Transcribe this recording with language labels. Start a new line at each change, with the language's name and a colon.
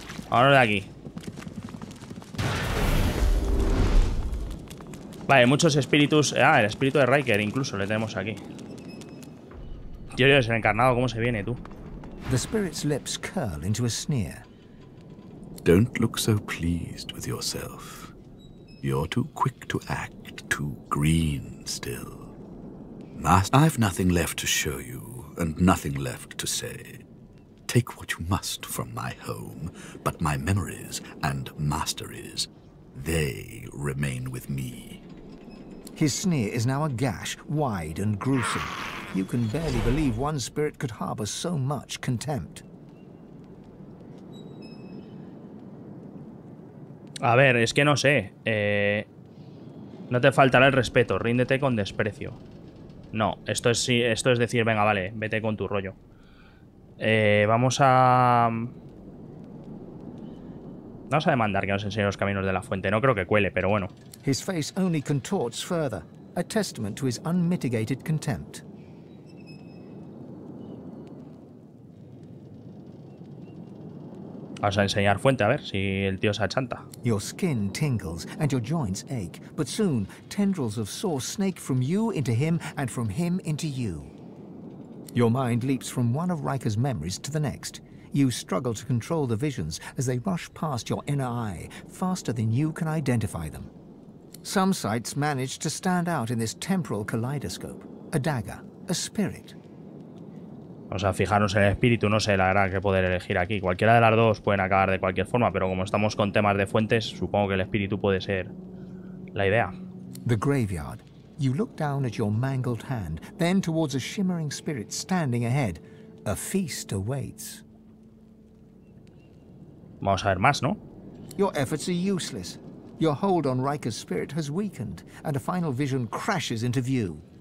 Spanish: Ahora de aquí. Vale, muchos espíritus. Ah, el espíritu de Riker incluso le tenemos aquí. Dios, el encarnado, ¿cómo se viene tú?
English: The spirit's lips curl into a sneer. Don't look so pleased with yourself. You're too quick to act, too green still. Master, I've nothing left to show you and nothing left to say. Take what you must from my home, but my memories and masteries, they remain with me. His sneer is now a gash, wide and gruesome. You can barely believe one spirit could harbor so much contempt.
Spanish: A ver, es que no sé. No te faltará el respeto, ríndete con desprecio. No, esto es, sí, esto es decir, venga, vale, vete con tu rollo. Vamos a... Vamos a demandar que nos enseñe los caminos de la fuente. No creo que cuele, pero bueno.
English: His face only contorts further, a testament to his unmitigated contempt.
Spanish: Vamos a enseñar fuente, a ver si el tío se achanta.
English: Your skin tingles and your joints ache, but soon tendrils of sore snake from you into him and from him into you. Your mind leaps from one of Riker's memories to the next. You struggle to control the visions as they rush past your inner eye, faster than you can identify them. Some sights manage to stand out in this temporal kaleidoscope. A dagger, a spirit.
Spanish: O sea, fijaros en el espíritu, no sé, la verdad, qué poder elegir aquí. Cualquiera de las dos pueden acabar de cualquier forma, pero como estamos con temas de fuentes, supongo que el espíritu puede ser la idea.
English: The graveyard. You look down at your mangled hand, then towards a shimmering spirit standing ahead. A feast awaits.
Spanish: Vamos a ver más, ¿no?
English: Your efforts are useless. Your hold on Riker's spirit has weakened, and a final vision crashes into view.